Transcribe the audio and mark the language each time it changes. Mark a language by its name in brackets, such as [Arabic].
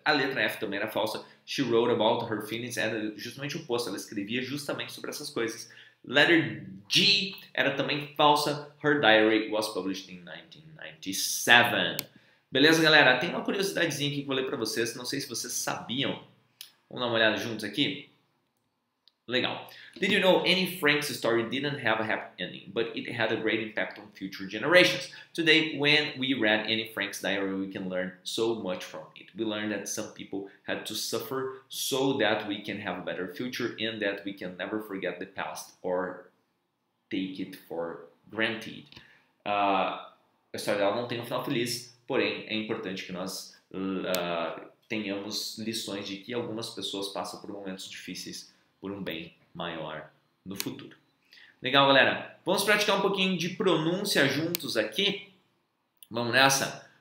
[Portuguese] A letra F também era falsa, [English] she wrote about her feelings, [Portuguese] era justamente o oposto, ela escrevia justamente sobre essas coisas. [English] Letter G [Portuguese] era também falsa. [English] Her diary was published in 1997. [Portuguese] Beleza, galera? Tem uma curiosidadezinha aqui que eu vou ler pra vocês. Não sei se vocês sabiam. Vamos dar uma olhada juntos aqui? Legal. [English] Did you know Anne Frank's story didn't have a happy ending, but it had a great impact on future generations? Today, when we read Anne Frank's diary, we can learn so much from it. We learned that some people had to suffer so that we can have a better future and that we can never forget the past or take it for granted. [Portuguese] A história dela não tem um final feliz, porém é importante que nós tenhamos lições de que algumas pessoas passam por momentos difíceis por um bem maior no futuro. Legal, galera. Vamos praticar um pouquinho de pronúncia juntos aqui? Vamos nessa?